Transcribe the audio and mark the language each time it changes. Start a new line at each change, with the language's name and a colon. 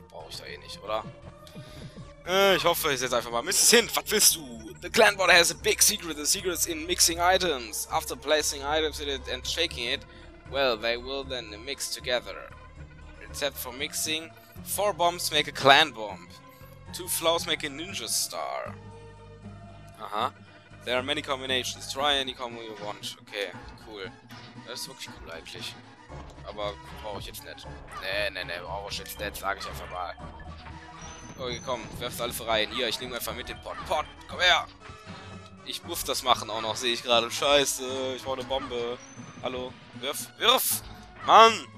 German: Brauche ich da eh nicht, oder? Ich hoffe, ich setze einfach mal. Mrs. Hint, was willst du?
English: The clan board has a big secret. The secret is in mixing items. After placing items in it and shaking it, well, they will then mix together. Except for mixing, 4 bombs make a clan bomb. 2 flows make a ninja star. Aha. There are many combinations. Try any combo you want. Okay, cool.
German: Das ist wirklich cool eigentlich. Aber brauche ich jetzt nicht. Nee, brauche ich jetzt nicht, sage ich einfach mal. Okay, komm, werft alle rein. Hier, ich nehme einfach mit den Pot. Pot, komm her! Ich muss das machen auch noch, sehe ich gerade. Scheiße, ich brauche eine Bombe. Hallo, wirf, wirf! Mann!